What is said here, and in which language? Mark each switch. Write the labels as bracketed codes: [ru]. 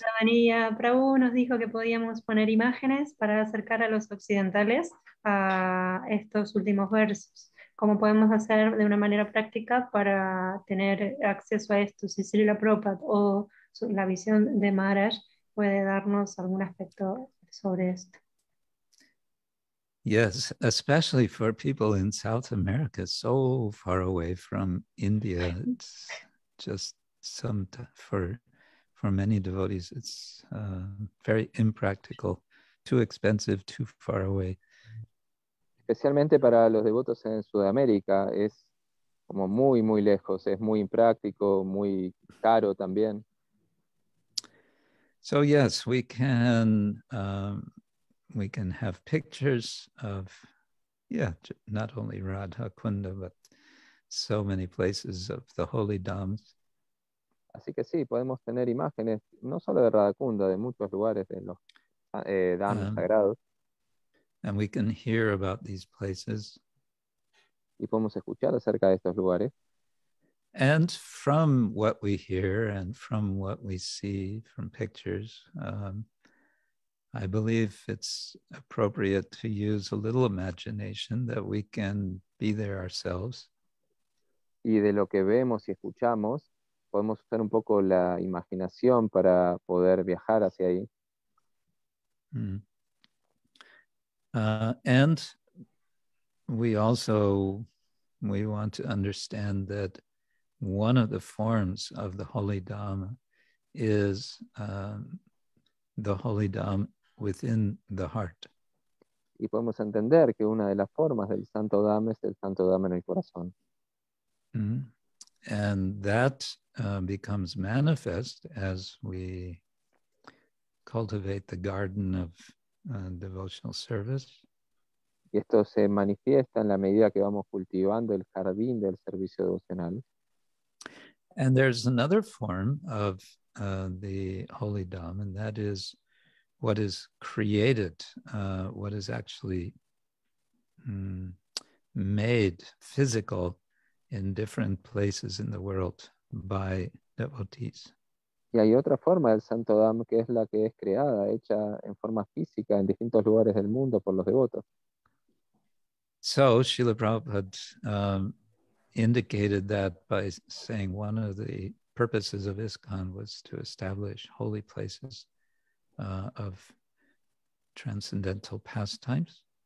[es] La Vanilla Prabhu nos dijo que podíamos poner imágenes para acercar a los occidentales a estos últimos versos. ¿Cómo podemos hacer de una manera práctica para tener acceso a esto? Si Srila Prabhupada o la visión de Maharaj puede darnos algún aspecto sobre esto. [en] Yes, especially for people in South America, so far away from India, it's just for many devotees, it's very impractical, too expensive, too far away. [es] Especialmente para los devotos en Sudamérica, es como muy, muy lejos, es muy impráctico, muy caro también. [en] So yes, we can have pictures of, not only Radha Kunda, but so many places of the holy dhams. [es] Así que sí, podemos tener imágenes, no solo de Radhakunda, de muchos lugares de los dhams sagrados. [en] And we can hear about these places. [es] Y podemos escuchar acerca de estos lugares. [en] And from what we hear and from what we see from pictures, I believe it's appropriate to use a little imagination that we can be there ourselves. [es] Y de lo que vemos y escuchamos, podemos usar un poco la imaginación para poder viajar hacia ahí. [en] And we want to understand that one of the forms of the Holy Dhamma is the Holy Dhamma within the heart. [es] Y podemos entender que una de las formas del Santo Dhamma es el Santo Dhamma en el corazón. Mm-hmm. [en] And that becomes manifest as we cultivate the garden of devotional service. [es] Y esto se manifiesta en la medida que vamos cultivando el jardín del servicio devocional. [en] And there's another form of the Holy Dhamma, and that is what is created, what is actually made physical in different places in the world by devotees. [es] Y hay otra forma del Santo Dhamma que es la que es creada, hecha en forma física en distintos lugares del mundo por los devotos. [en] So, Srila Prabhupada indicated that by saying one of the purposes of ISKCON was to establish holy places of transcendental pastimes.